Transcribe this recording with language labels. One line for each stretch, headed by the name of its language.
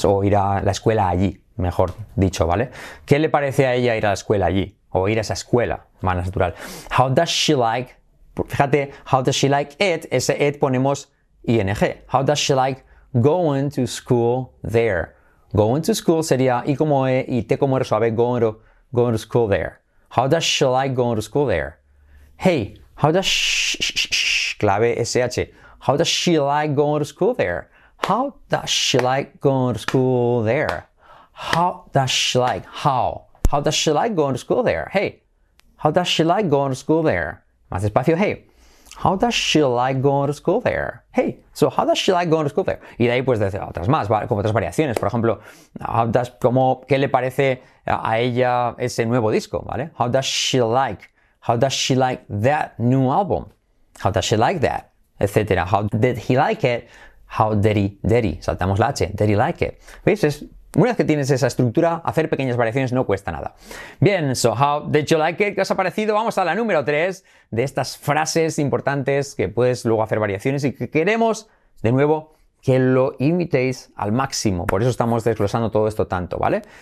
Spanish: Yes, o ir a la escuela allí, mejor dicho, ¿vale? ¿Qué le parece a ella ir a la escuela allí? O ir a esa escuela, más natural.
English: How does she like, fíjate, how does she like it,
Spanish: ese it ponemos ing.
English: How does she like going to school there? Going to school
Spanish: sería I como E y T como R suave,
English: going to school there. How does she like going to school there? Hey, how does clave SH. How does she like going to school there? How does she like going to school there? How does she like, how? How does she like going to school there? Hey, how does she like going to school there?
Spanish: Más espacio, hey.
English: How does she like going to school there? Hey, so how does she like going to school there?
Spanish: Y de ahí puedes decir otras más, como otras variaciones. Por ejemplo,
English: how does,
Spanish: como, ¿qué le parece a ella ese nuevo disco? ¿Vale?
English: How does she like that new album? How does she like that? Etcétera. How did he like it? How did he,
Spanish: saltamos la H,
English: did he like it?
Spanish: ¿Veis? Es, una vez que tienes esa estructura, hacer pequeñas variaciones no cuesta nada. Bien,
English: so how did you like it?
Spanish: ¿Qué os ha parecido? Vamos a la número 3 de estas frases importantes que puedes luego hacer variaciones y que queremos, de nuevo, que lo imitéis al máximo. Por eso estamos desglosando todo esto tanto, ¿vale?